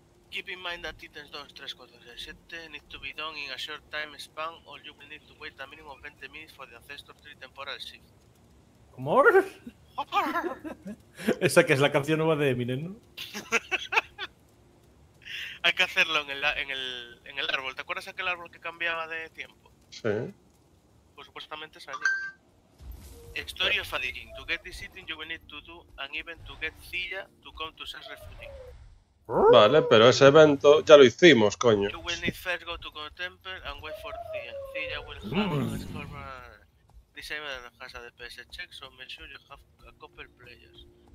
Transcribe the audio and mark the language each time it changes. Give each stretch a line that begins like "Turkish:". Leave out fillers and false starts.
English: Keep in mind that items 2, 3, 4, 6, 7 need to be done in a short time span or you will need to wait a minimum of 20 minutes for the Ancestor Tree Temporal Shift. ¿More?
Spanish: Esa que es la canción nueva de Eminem, ¿no? Hay que hacerlo en el árbol. ¿Te acuerdas aquel árbol que cambiaba de tiempo? Sí. Pues supuestamente es allí. Story of Adirin.
English: To get this item you will need to do an event to get Zilla to come to Sas Refugee.
Spanish: Vale, pero ese evento ya lo hicimos, coño.
English: You will need first go to the temple and wait for Zilla. Zilla will have the storm disabled has a DPS check, so make sure you have a couple players.